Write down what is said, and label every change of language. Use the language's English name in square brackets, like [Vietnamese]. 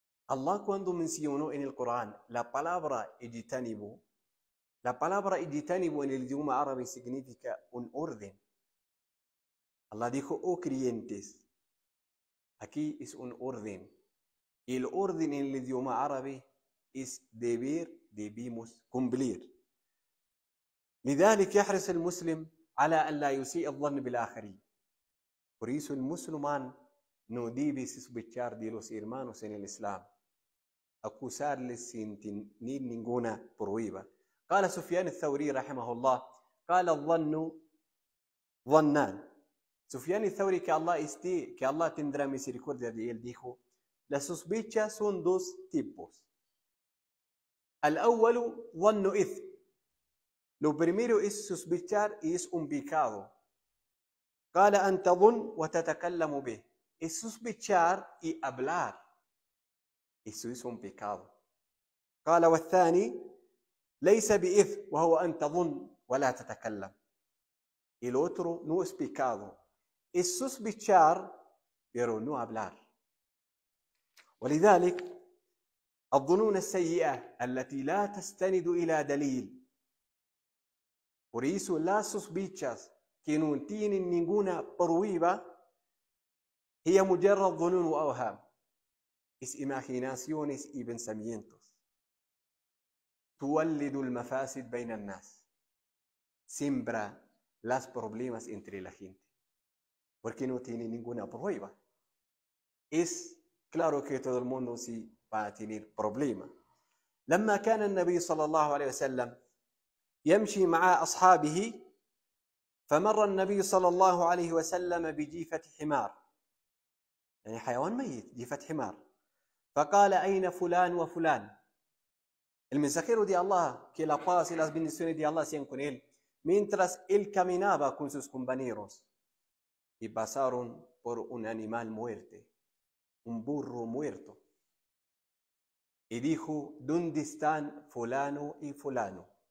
[Spanish] الله cuando mencionó en el Corán la palabra اجتنبوا, la palabra اجتنبوا en el idioma árabe significa un orden. Allah dijo: oh creyentes, aquí es un orden. Y el orden en el idioma árabe es deber, debemos cumplir. [Arabic] لذلك يحرص المسلم على أن لا يسيء الظن بالآخرين. [Spanish] Por eso el musulmán no debe sospechar de los hermanos en el Islam, acusarles sin tener ninguna prueba. [Arabic] قال سفيان الثوري رحمه الله: قال الظن ظنان. [Spanish] سفيان الثوري, que Allah esté, que Allah tendrá misericordia de él, dijo: las sospechas son dos tipos. [Arabic] El أول ظن إثم. [Spanish] Lo primero es sospechar y es un pecado. [Arabic] قال أن تظن وتتكلم به. [Spanish] Es sospechar y hablar. Eso es un pecado. [Arabic] قال والثاني ليس بإثم وهو أن تظن ولا تتكلم. [Spanish] El otro no es pecado. Es sospechar pero no hablar. [Arabic] ولذلك الظنون السيئة التي لا تستند إلى دليل. [Spanish] Por eso las sospechas que no tienen ninguna prueba [Arabic] هي مجرد ظنون وأوهام. [Spanish] Es imaginaciones y pensamientos. [Arabic] تولد المفاسد بين الناس. [Spanish] Siembra las problemas entre la gente. Porque no tiene ninguna prueba. Es claro que todo el mundo sí va a tener problema. [Arabic] لما كان النبي صلى الله عليه وسلم يمشي مع أصحابه فمر النبي صلى الله عليه وسلم بجيفة حمار. يعني حيوان ميت, جيفة حمار. فقال: أين فلان وفلان؟ المسخير دي الله [Spanish] que la paz y las bendiciones de Allah sean con él mientras él caminaba con sus compañeros y pasaron por un animal muerte. un burro muerto. Y dijo, ¿dónde están fulano y fulano?